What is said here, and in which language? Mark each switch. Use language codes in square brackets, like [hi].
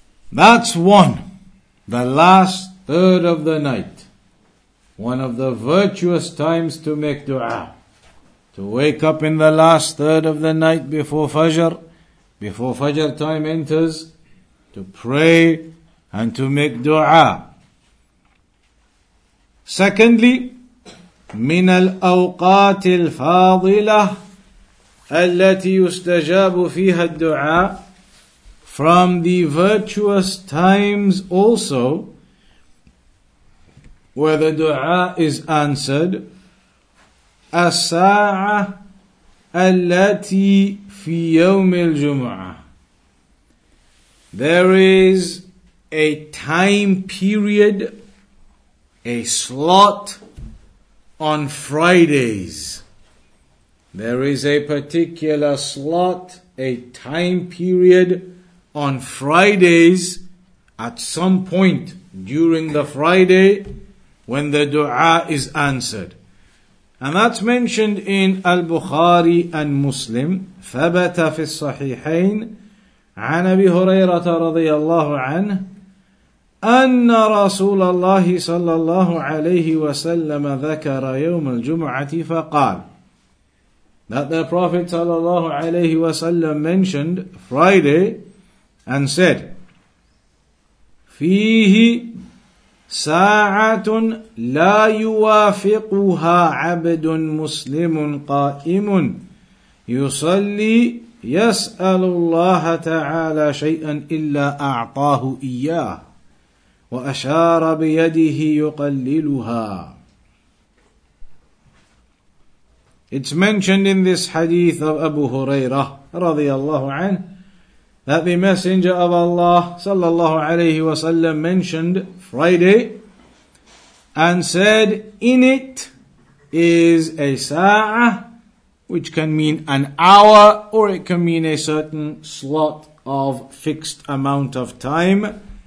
[en] That's one, the last third of the night, one of the virtuous times to make dua. To wake up in the last third of the night before Fajr time enters, to pray and to make dua. [ar] Secondly, من الأوقات الفاضلة التي يستجاب فيها الدعاء, [en] from the virtuous times also where the dua is answered, [ar] الساعة التي في يوم الجمعة. [en] There is a time period, a slot on Fridays. There is a particular slot, a time period on Fridays at some point during the Friday when the dua is answered. And that's mentioned in Al-Bukhari and Muslim. [ar] ثَبَتَ فِي الصَّحِيحَيْنِ عَنْ أَبِي هُرَيْرَةَ رَضِيَ اللَّهُ عَنْهُ أن رسول الله صلى الله عليه وسلم ذكر يوم الجمعة فقال. [en] That the Prophet [ar] صلى الله عليه وسلم [en] mentioned Friday and said, [ar] فيه ساعة لا يوافقها عبد مسلم قائم يصلي يسأل الله تعالى شيئا إلا أعطاه إياه وَأَشَارَ بِيَدِهِ يُقَلِّلُهَا. [en] It's mentioned in this hadith of Abu Hurairah رضي الله عنه that the Messenger of Allah صلى الله عليه وسلم mentioned Friday and said, in it is a sa'ah, which can mean an hour or it can mean a certain slot of fixed amount of time.